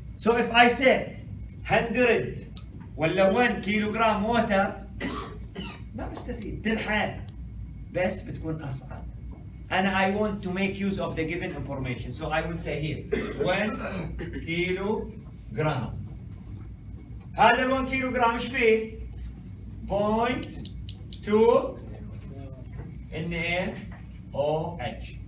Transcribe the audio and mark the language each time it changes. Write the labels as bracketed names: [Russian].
[English] So if I say [Arabic] 100 ولا 1 كيلوغرام water ما بستفيد تنحل بس بتكون اصعب. [English] And I want to make use of the given information. So I will say here 1 kilogram. [Arabic] هذا ال 1 كيلوغرام ايش فيه؟ 0.2 NaOH.